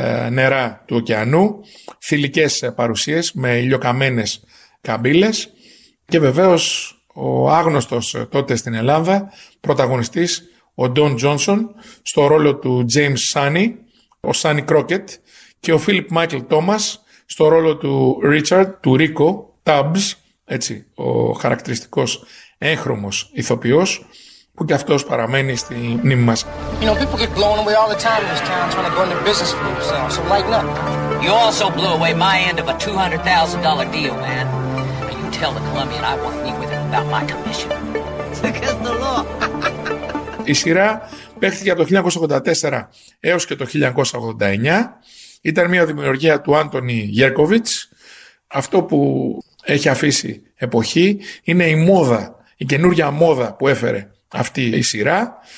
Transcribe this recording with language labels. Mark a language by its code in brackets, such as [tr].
[el] νερά του ωκεανού, θηλυκές παρουσίες με ηλιοκαμένες καμπύλες και βεβαίως ο άγνωστος τότε στην Ελλάδα πρωταγωνιστής, ο Don Johnson, στο ρόλο του James Sunny, ο Sunny Crockett, και ο Φίλιπ Μάικλ Τόμας στο ρόλο του Ρίτσαρντ, του Ρίκο, Τάμπς, έτσι, ο χαρακτηριστικός έγχρωμος ηθοποιός, που και αυτός παραμένει στη μνήμη μας. [en] You know, people get blown away all the time in this town trying to go into business for themselves, so lighten up. You also blew away my end of a $200,000 deal, man. And you tell the Colombian I want to meet with him about my commission. Against the law. [el] Η σειρά παίχθηκε από το 1984 έως και το 1989. Ήταν μια δημιουργία του Άντωνι Γέρκοβιτς. Αυτό που έχει αφήσει εποχή είναι η μόδα, η καινούργια μόδα που έφερε αυτή η σειρά.